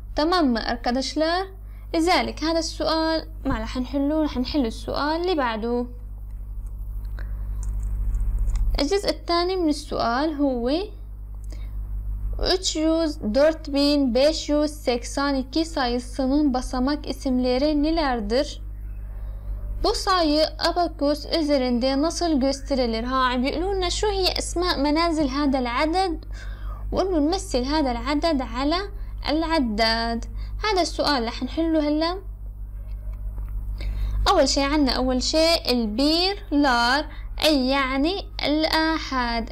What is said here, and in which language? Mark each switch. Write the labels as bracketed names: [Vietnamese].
[Arabic] تمام ما [Turkish] أكدش لار. [Arabic] لذلك هذا السؤال ما رح نحله، رح نحل السؤال اللي بعده. الجزء الثاني من السؤال هو [Turkish] 3582 sayısının basamak isimleri nelerdir? Bu sayı abakus üzerinde nasıl gösterilir? [Arabic] Ha, بيقولولنا شو هي اسماء منازل هذا العدد وانه نمثل هذا العدد على العداد. هذا السؤال رح نحله هلا. اول شيء عندنا اول شيء [Turkish] البير لار، [Arabic] اي يعني الاحاد.